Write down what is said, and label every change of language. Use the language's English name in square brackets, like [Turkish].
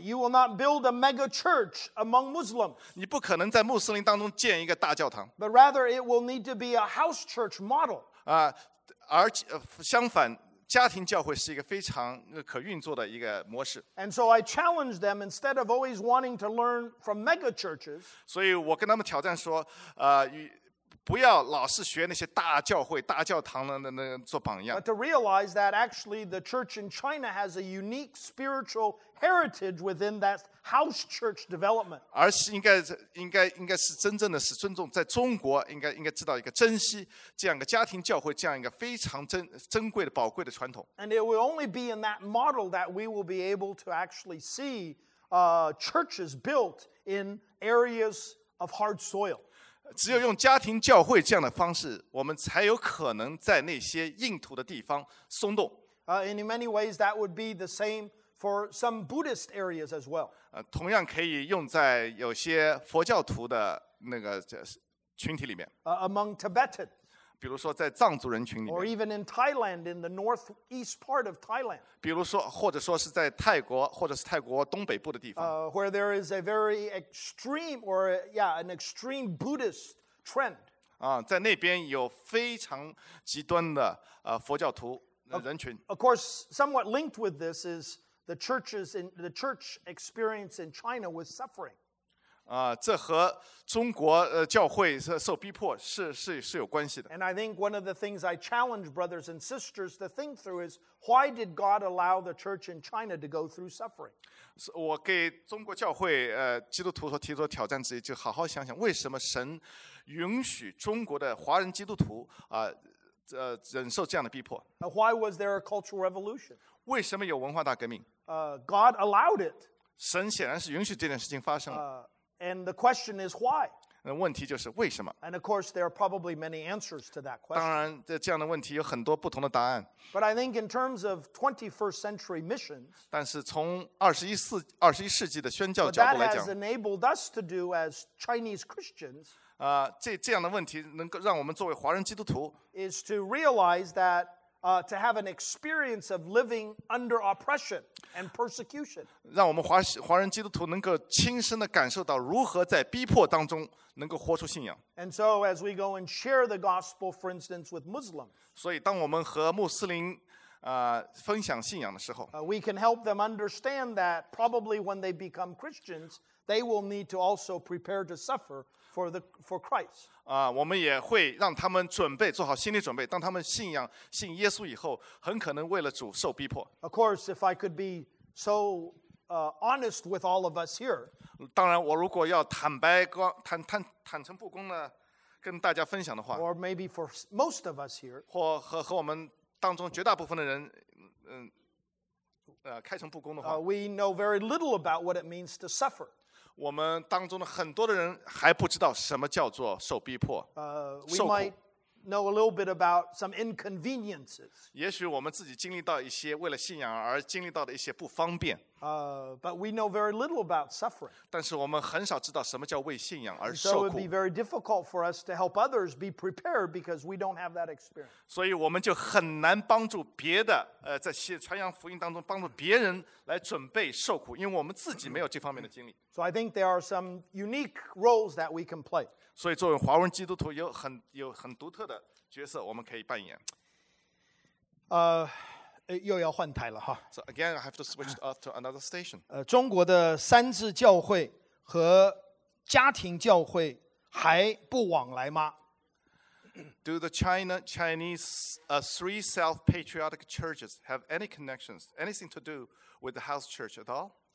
[English] You will not build a mega church among Muslims. [Chinese] 你不可能在穆斯林当中建一个大教堂。 [English] But rather, it will need to be a house church model. 啊。 [Chinese] 而相反，家庭教会是一个非常可运作的一个模式。 [English] And so I challenge them instead of always wanting to learn from mega churches. [Chinese] 所以我跟他们挑战说，不要老是学那些大教会、大教堂的那做榜样。 [English] But to realize that actually the church in China has a unique spiritual heritage within that house church development. [Chinese] 而是应该是真正的是尊重，在中国应该知道一个珍惜这样一个家庭教会这样一个非常珍贵的宝贵的传统。 [English] And it will only be in that model that we will be able to actually see churches built in areas of hard soil. [Chinese] 只有用家庭教会这样的方式，我们才有可能在那些硬土的地方松动。 [English] In many ways, that would be the same for some Buddhist areas as well. [Chinese] 同样可以用在有些佛教徒的那个群体里面。 [English] Among Tibetans. [Chinese] 比如说在藏族人群里面。 [English] Or even in Thailand, in the northeast part of Thailand. [Chinese] 比如说，或者说是在泰国，或者是泰国东北部的地方。 [English] Where there is a very extreme, or yeah, an extreme Buddhist trend. [Chinese] 在那边有非常极端的佛教徒人群。 [English] Of course, somewhat linked with this is the church experience in China with suffering. [Chinese] 这和中国教会受逼迫是有关系的。 [English] And I think one of the things I challenge brothers and sisters to think through is why did God allow the church in China to go through suffering? [Chinese] 我给中国教会基督徒所提出的挑战之一，就好好想想为什么神允许中国的华人基督徒忍受这样的逼迫。 [English] Why was there a cultural revolution? [Chinese] 为什么有文化大革命？ [English] God allowed it. [Chinese] 神显然是允许这件事情发生了。 [English] And the question is why? [Chinese] 问题就是为什么？ [English] And of course, there are probably many answers to that question. [Chinese] 当然，这样的问题有很多不同的答案。 [English] But I think in terms of 21st century missions, [Chinese] 但是从21世纪的宣教角度来讲， [English] that has enabled us to do as Chinese Christians, [Chinese] 这样的问题能够让我们作为华人基督徒， [English] is to realize that to have an experience of living under oppression and persecution. [Chinese] 让我们华人基督徒能够亲身的感受到如何在逼迫当中能够活出信仰。 [English] And so as we go and share the gospel, for instance, with Muslims, [Chinese] 所以当我们和穆斯林分享信仰的时候， [English] we can help them understand that probably when they become Christians, they will need to also prepare to suffer for Christ. [Chinese] 我们也会让他们准备，做好心理准备，当他们信耶稣以后，很可能为了主受逼迫。 [English] Of course, if I could be so honest with all of us here, [Chinese] 当然我如果要坦白坦诚不公的跟大家分享的话， [English] or maybe for most of us here, [Chinese] 或和我们当中绝大部分的人开诚布公的话， [English] we know very little about what it means to suffer. [Chinese] 我们当中的很多的人还不知道什么叫做受逼迫， [English] we might know a little bit about some inconveniences. [Chinese] 也许我们自己经历到一些为了信仰而经历到的一些不方便， [English] but we know very little about suffering. [Chinese] 但是我们很少知道什么叫为信仰而受苦。 [English] So it would be very difficult for us to help others be prepared because we don't have that experience. [Chinese] 所以我们就很难帮助别的在传扬福音当中帮助别人来准备受苦，因为我们自己没有这方面的经历。 [English] So I think there are some unique roles that we can play. [Chinese] 所以作为华文基督徒有很独特的角色我们可以扮演。又要换台了哈。 [English] So again, I have to switch off to another station. [Chinese] 中国的三自教会和家庭教会还不往来吗？ [English] Do the Chinese three self-patriotic churches have any connections, anything to do with the house church at all?